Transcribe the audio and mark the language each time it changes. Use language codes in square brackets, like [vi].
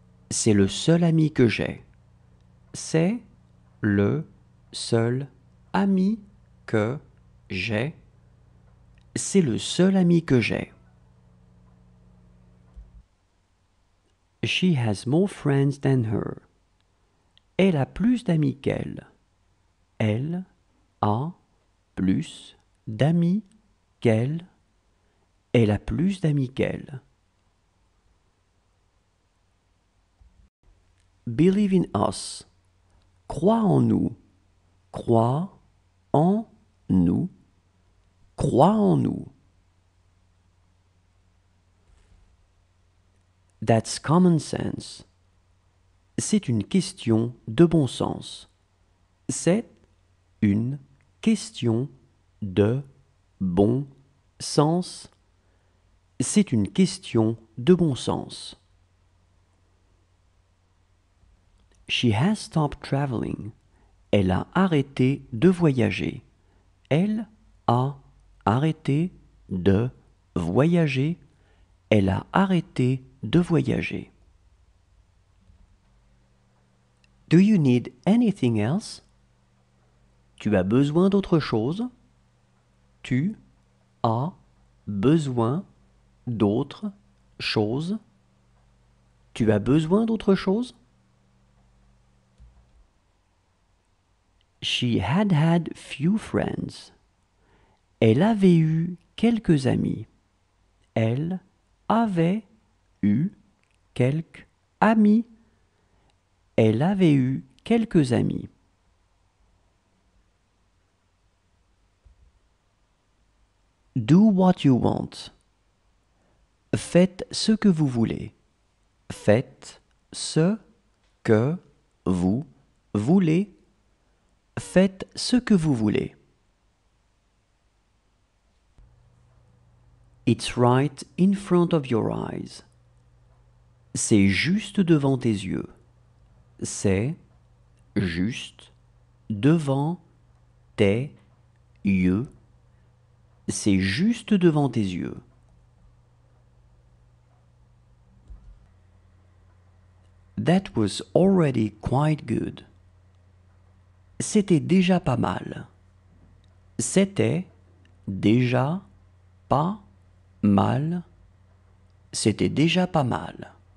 [fr] C'est le seul ami que j'ai. C'est le seul ami que j'ai. C'est le seul ami que j'ai. [en] She has more friends than her. [fr] Elle a plus d'amis qu'elle. Elle a plus d'amis qu'elle. Elle a plus d'amis qu'elle. [en] Believe in us. [fr] Crois en nous. Crois en nous. Crois en nous. [en] That's common sense. [fr] C'est une question de bon sens. C'est une question de bon sens. C'est une question de bon sens. [en] She has stopped traveling. [fr] Elle a arrêté de voyager. Elle a arrêté de voyager. Elle a arrêté de voyager. [en] Do you need anything else? [fr] Tu as besoin d'autre chose? Tu as besoin d'autre chose? Tu as besoin d'autre chose? [en] She had had few friends. [fr] Elle avait eu quelques amis. Elle avait eu quelques amis. Elle avait eu quelques amis. [en] Do what you want. [fr] Faites ce que vous voulez. Faites ce que vous voulez. Faites ce que vous voulez. [en] It's right in front of your eyes. [fr] C'est juste devant tes yeux. C'est juste devant tes yeux. C'est juste devant tes yeux. [en] That was already quite good. [fr] C'était déjà pas mal. C'était déjà pas mal. C'était déjà pas mal.